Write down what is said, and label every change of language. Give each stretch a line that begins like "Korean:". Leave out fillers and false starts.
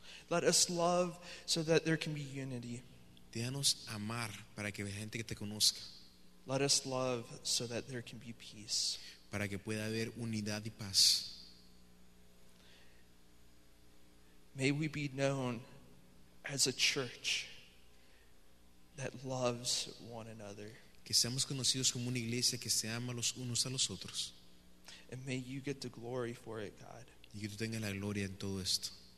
English: Let us love so that there can be unity.
Spanish: Déjanos amar para que la gente que te conozca.
English: Let us love so that there can be peace.
Spanish: Para que pueda haber unidad y paz.
English: May we be known as a church that loves one another.
Spanish: Que seamos conocidos como una iglesia que se ama los unos a los otros.
English: And may you get the glory for it, God.
Spanish: Y que tú tengas la gloria en todo esto.